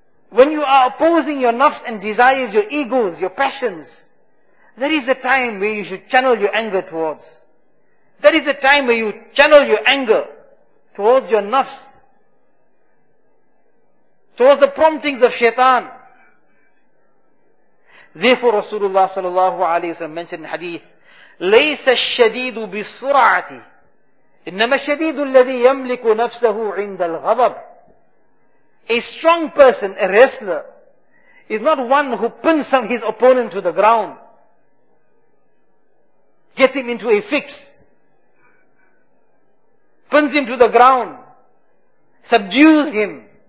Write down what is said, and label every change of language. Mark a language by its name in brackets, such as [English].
[English] When you are opposing your nafs and desires, your egos, your passions, that is the time where you should channel your anger towards. That is the time where you channel your anger towards your nafs, towards the promptings of shaitan. Therefore Rasulullah sallallahu alayhi wa sallam mentioned in hadith, [Arabic] لَيْسَ الشَّدِيدُ بِالسُّرَعَةِ إِنَّمَا الشَّدِيدُ الَّذِي يَمْلِكُ نَفْسَهُ عِنْدَ الْغَضَبِ. [English] A strong person, a wrestler, is not one who pins his opponent to the ground, gets him into a fix, pins him to the ground, subdues him.